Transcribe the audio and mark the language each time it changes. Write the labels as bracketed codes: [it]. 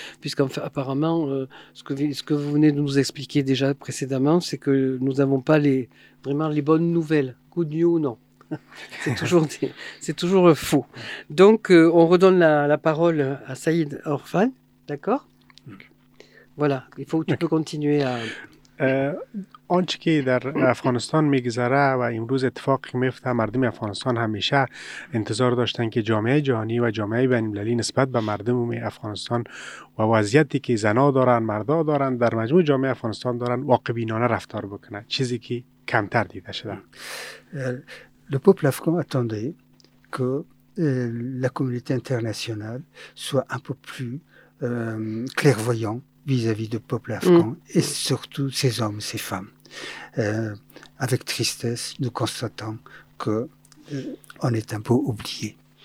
[fr] Puisqu'apparemment, ce que vous venez de nous expliquer déjà précédemment, c'est que nous n'avons pas vraiment les bonnes nouvelles. [en] Good news, [fr] non. C'est toujours faux. Donc, on redonne la parole à Saïd Orphan, d'accord ? Voilà, tu peux continuer à... [fa] آنچه که در افغانستان میگذره و امروز اتفاقی میفته مردم افغانستان همیشه انتظار داشتن که جامعه جهانی و جامعه بین المللی نسبت به مردم افغانستان و وضعیتی که زنا دارن مردا دارن در مجموع جامعه افغانستان دارن واقع بینانه رفتار بکنه چیزی که کمتر دیده شده [fr] le peuple afghan attendait que la communauté internationale soit un peu plus clairvoyant vis-à-vis du peuple afghan et surtout ses hommes, ses femmes. Avec tristesse, nous constatons qu'on est un peu oublié.